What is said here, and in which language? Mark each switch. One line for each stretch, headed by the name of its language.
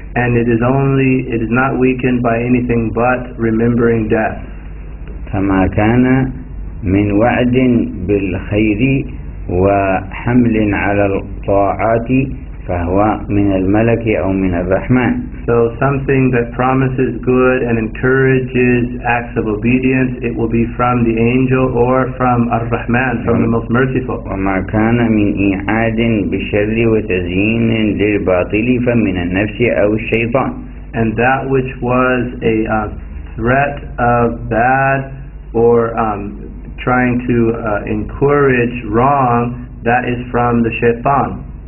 English: And it is not weakened by anything but remembering death.
Arabic: فما كان من وعد بالخير وحمل على الطاعات فهو من الملك أو من الرحمن.
English: So something that promises good and encourages acts of obedience, it will be from the angel or from Ar-Rahman, from the most merciful.
Arabic: وما كان من إيعاد بالشر وتزيين للباطل فمن النفس أو الشيطان.
English: And that which was a threat of bad or trying to encourage wrong, that is from the shaitan.